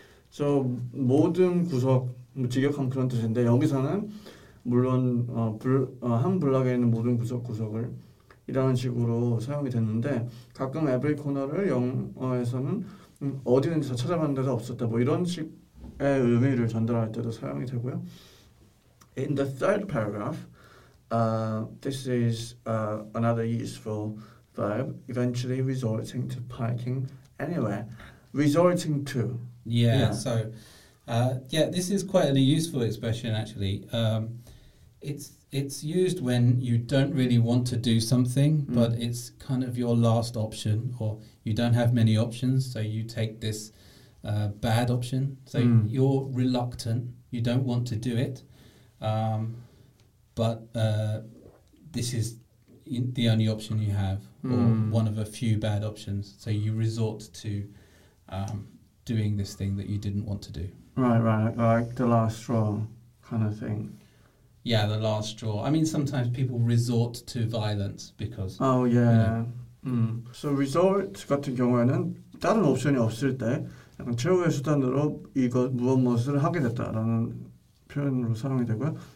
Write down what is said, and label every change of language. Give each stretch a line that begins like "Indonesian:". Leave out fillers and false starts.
Korean: So 모든 구석 직역한 그런 뜻인데 여기서는 물론 한 블록에 있는 모든 구석 구석을 이라는 식으로 사용이 됐는데 가끔 every corner를 영어에서는 어디든지 다 찾아봤는데 다 없었다 뭐 이런 식의 의미를 전달할 때도 사용이 되고요.
English: In the third paragraph, this is another useful verb, eventually resorting to parking anywhere. Resorting to. Yeah, so, yeah, this is quite a useful expression, actually. It's used when you don't really want to do something, but it's kind of your last option, or you don't have many options, so you take this bad option. So you're reluctant, you don't want to do it. But this is the only option you have, or one of a few bad options. So you resort to doing this thing that you didn't want to do. Right, like the last straw kind of thing. Yeah, the last straw. I mean, sometimes people resort to violence because... Oh, yeah. You know.
Korean: So resort 같은 경우에는 다른 옵션이 없을 때 약간 최후의 수단으로 이거 무엇 무엇을 하게 됐다라는 표현으로 사용이 되고요.